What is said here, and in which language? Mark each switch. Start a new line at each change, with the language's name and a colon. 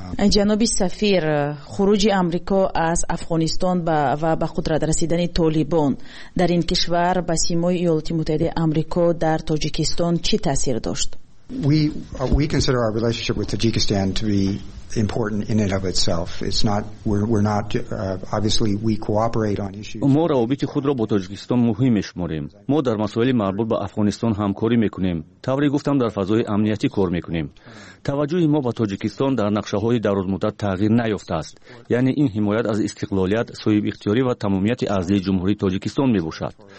Persian: جناب سفیر، خروج آمریکا از افغانستان و به قدرت رسیدن طالبان در این کشور به سیمای ایالات متحده آمریکا در تاجیکستان چی تاثیر داشت؟
English: We consider our relationship with Tajikistan to be important in and of itself. It's not we're not obviously we cooperate on issues.
Persian: ما روابط خود را با تاجیکستان مهم می‌شماریم. ما در مسائل مربوط به افغانستان همکاری می‌کنیم. طوری گفتم در فضای امنیتی کار می‌کنیم. توجه ما به تاجیکستان در نقشه‌های دراز‌مدت تغییر نیافته است. یعنی این حمایت از استقلالیت، صاحب اختیاری و تمامیت ارضی جمهوری تاجیکستان می‌باشد.